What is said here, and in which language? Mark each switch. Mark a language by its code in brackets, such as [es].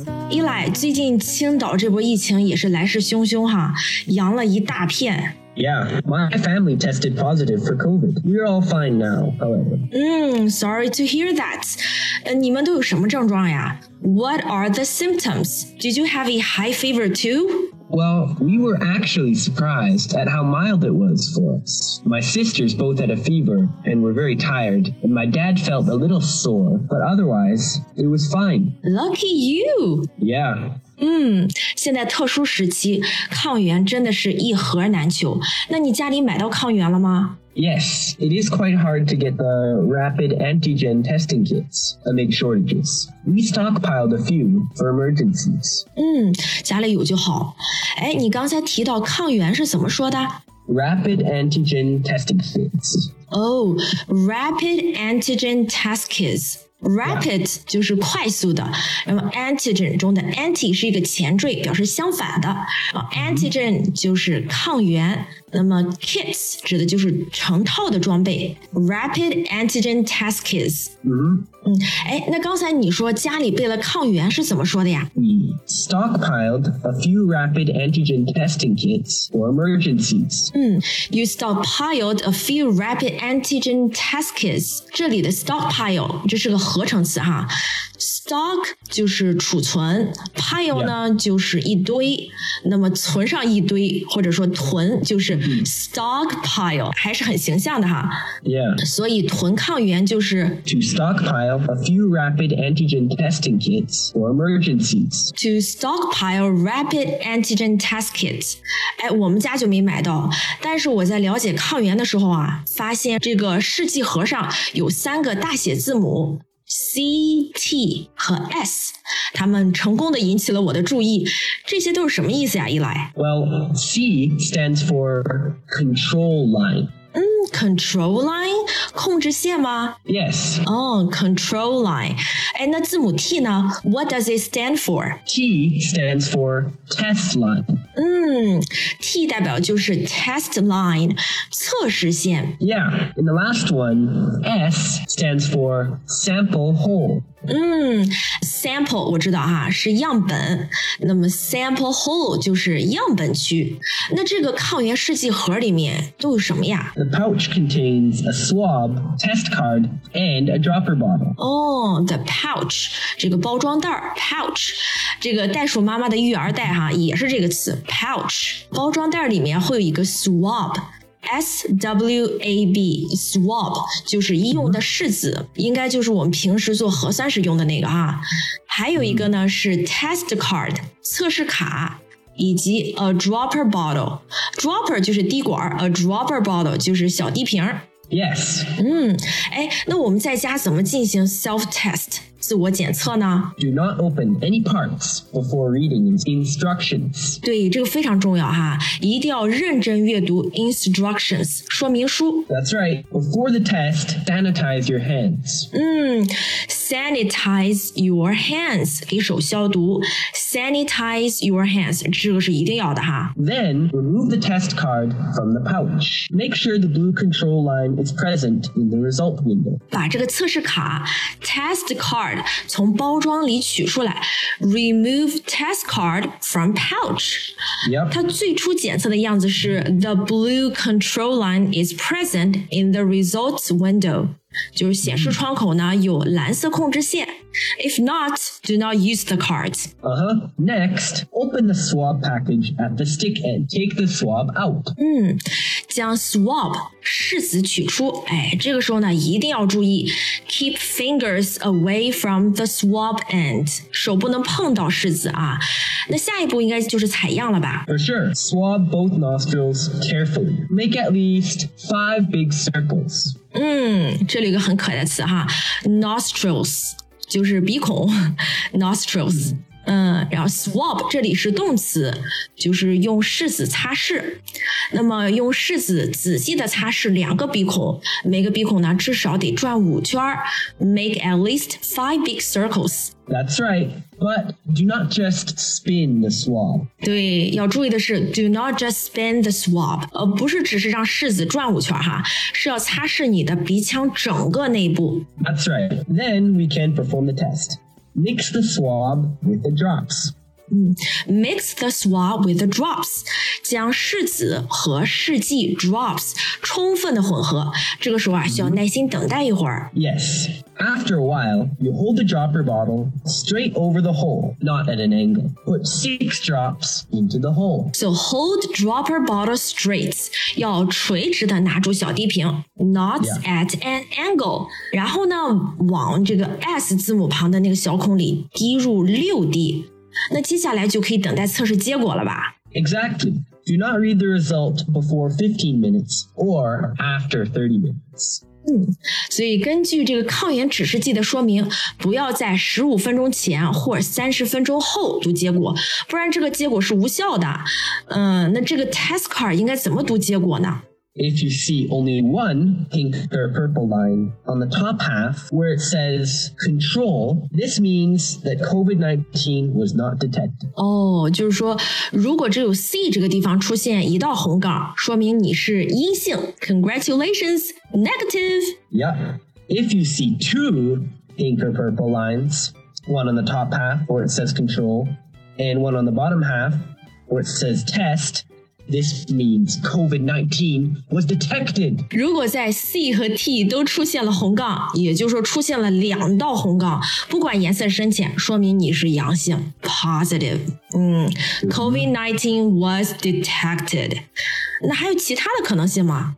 [zh] Eli， 最近青岛这波疫情也是来势汹汹哈，阳了一大片。 [en] Yeah, my family tested positive for COVID. We're all fine now, however. Sorry to hear that. [zh] 你们都有什么症状呀? [en] What are the symptoms? Did you have a high fever too? Well, we were actually surprised at how mild it was for us. My sisters both had a fever and were very tired, and my dad felt a little sore, but otherwise, it was fine. Lucky you! Yeah. [zh] 现在特殊时期抗原真的是一盒难求。那你家里买到抗原了吗？ [en] Yes, it is quite hard to get the rapid antigen testing kits amid shortages. We stockpiled a few for emergencies. [zh] 家里有就好。哎，你刚才提到抗原是怎么说的？ [en] Rapid antigen testing kits. Oh, rapid antigen test kits. Rapid、yeah. [zh] 就是快速的，然后 antigen 中的 anti 是一个前缀，表示相反的。 antigen 就是抗原，那么 kits 指的就是成套的装备。 [en] Rapid antigen test kits。 [zh] 那刚才你说家里备了抗原是怎么说的呀 [en] ？We stockpiled a few rapid antigen testing kits for emergencies. You stockpiled a few rapid antigen test kits. [zh] 这里的 stockpile 这是个合成词哈。Stock 就是储存 ，pile、yeah. 呢就是一堆，那么存上一堆或者说囤就是 stockpile，、mm. 还是很形象的哈。 [en] Yeah. [zh] 所以囤抗原就是 [en] to stockpile a few rapid antigen testing kits for emergencies. To stockpile rapid antigen test kits. [zh] 哎，我们家就没买到，但是我在了解抗原的时候啊，发现这个试剂盒上有三个大写字母。 C, T 和 S， 他们成功地引起了我的注意。这些都是什么意思呀，伊莱 [en] ？Well, C stands for control line. [zh] Control line， 控制线吗 [en] ？Yes. Oh, control line. [zh] 哎，那字母 T 呢 ？ [en] What does it stand for？ T stands for test line. [zh] T 代表就是 test line， 测试线。 [en] Yeah. In the last one, S stands for sample hole. [zh] Sample 我知道哈，是样本。那么 sample hole 就是样本区。那这个抗原试剂盒里面都有什么呀 [en] ？The pouch contains a swab, test card, and a dropper bottle. [zh] The pouch 这个包装袋 pouch 这个袋鼠妈妈的育儿袋哈，也是这个词 pouch。包装袋里面会有一个 swab。S-W-A-B, swab, 就是医用的试纸，应该就是我们平时做核酸时用的那个啊。还有一个呢是 test card, 测试卡，以及 a dropper bottle, dropper 就是滴管， a dropper bottle 就是小滴瓶。 [en] Yes. [zh] 那我们在家怎么进行 self-test? 自我检测呢 [en] ？Do not open any parts before reading instructions. [zh] 对，这个非常重要哈，一定要认真阅读 instructions 说明书。 [en] That's right. Before the test, sanitize your hands. Sanitize your hands， [zh] 给手消毒。 [en] Sanitize your hands， [zh] 这个是一定要的哈。 [en] Then remove the test card from the pouch. Make sure the blue control line is present in the result window. [zh] 把这个测试卡 test card。从包装里取出来 ， [en] remove test card from pouch。 Yep. [zh] 它最初检测的样子是 [en] the blue control line is present in the results window。 [zh] 就是显示窗口呢有蓝色控制线。 [en] If not, do not use the card. Uh-huh. Next, open the swab package at the stick end. Take the swab out. [zh] 嗯，将 swab 拭子取出。哎，这个时候呢，一定要注意 ， [en] keep fingers away from the swab end. [zh] 手不能碰到拭子啊。那下一步应该就是采样了吧 [en] ？For sure. Swab both nostrils carefully. Make at least 5 big circles. [zh] 嗯，这里有个很可爱的词哈 ，nostrils。就是鼻孔 ,nostrils, 嗯然后 swab, 这里是动词就是用拭子擦拭。那么用拭子仔细的擦拭两个鼻孔每个鼻孔呢至少得转五圈 , [en] make at least 5 big circles. That's right, but do not just spin the swab. [zh] 对要注意的是 [en] do not just spin the swab, [zh] 不是只是让拭子转五圈哈是要擦拭你的鼻腔整个内部。 [en] That's right, then we can perform the test. Mix the swab with the drops. Mix the swab with the drops. [zh] 将拭子和拭剂 drops 充分的混合。这个时候啊，需要耐心等待一会儿。 [en] Yes. After a while, you hold the dropper bottle straight over the hole, not at an angle. Put 6 drops into the hole. So hold dropper bottle straight. [zh] 要垂直的拿住小滴瓶 not、yeah. [en] at an angle. [zh] 然后呢，往这个 S 字母旁的那个小孔里滴入6滴。那接下来就可以等待测试结果了吧 [en] Exactly. Do not read the result before 15 minutes or after 30 minutes. [zh] 嗯，所以根据这个抗原指示剂的说明，不要在15分钟前或30分钟后读结果，不然这个结果是无效的。那这个 test card 应该怎么读结果呢？ [en] If you see only one pink or purple line on the top half where it says control, this means that COVID-19 was not detected. [zh] 哦、oh, 就是说如果只有 C 这个地方出现一道红杠说明你是阴性。 [en] Congratulations, negative! Yep. If you see two pink or purple lines, one on the top half where it says control, and one on the bottom half where it says test,This means COVID-19 was detected. [zh] 如果在 C 和 T 都出现了红杠，也就是说出现了两道红杠，不管颜色深浅，说明你是阳性 ，positive. [en] COVID-19 was detected. [zh] 那还有其他的可能性吗